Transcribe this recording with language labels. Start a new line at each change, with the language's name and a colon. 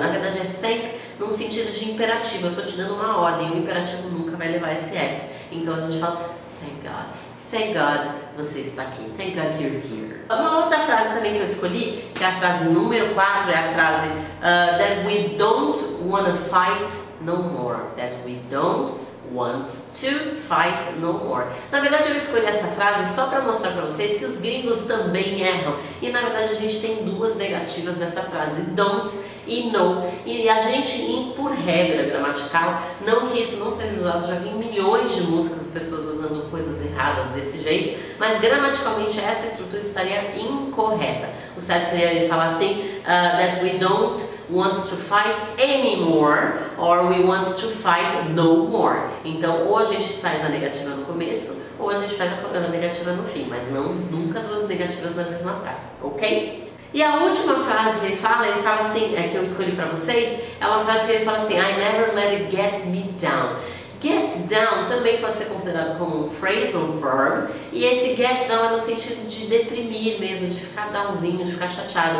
Portuguese: Na verdade é thank num sentido de imperativo. Eu tô te dando uma ordem. O imperativo nunca vai levar esse S. Então a gente fala
English: thank God.
Portuguese: Thank God você está aqui.
English: Thank God you're here.
Portuguese: Uma outra frase também que eu escolhi, que é a frase número 4, é a frase
English: that we don't wanna fight no more. That we don't wants to fight no more.
Portuguese: Na verdade eu escolhi essa frase só para mostrar para vocês que os gringos também erram. E na verdade a gente tem duas negativas nessa frase: don't e no. E a gente, por regra gramatical, não que isso não seja usado, já vi milhões de músicas, pessoas usando coisas erradas desse jeito, mas gramaticalmente essa estrutura estaria incorreta. O certo seria ele falar assim:
English: that we don't want to fight anymore, or we want to fight no more.
Portuguese: Então, ou a gente faz a negativa no começo, ou a gente faz a negativa no fim, mas não nunca duas negativas na mesma frase, ok? E a última frase que ele fala assim, é que eu escolhi pra vocês, é uma frase que ele fala assim:
English: I never let it get me down.
Portuguese: Get down também pode ser considerado como um phrasal verb, e esse get down é no sentido de deprimir mesmo, de ficar downzinho, de ficar chateado.